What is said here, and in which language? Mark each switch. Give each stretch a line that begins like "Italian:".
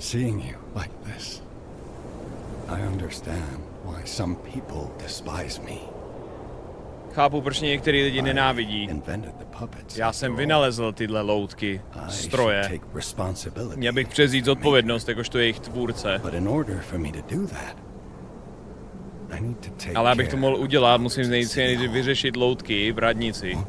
English: Seeing you like this, I understand why some people despise me.
Czech: Chápu, proč některý lidi nenávidí.
English: I invented the puppets.
Czech: Já jsem vynalezl tyhle loutky, stroje.
English: Take responsibility.
Czech: Měl bych převzít zodpovědnost, jakožto jejich tvůrce.
English: But in order for me to do that, I need to take.
Czech: Ale abych to mohl udělat, musím nejdřív vyřešit loutky v radnici.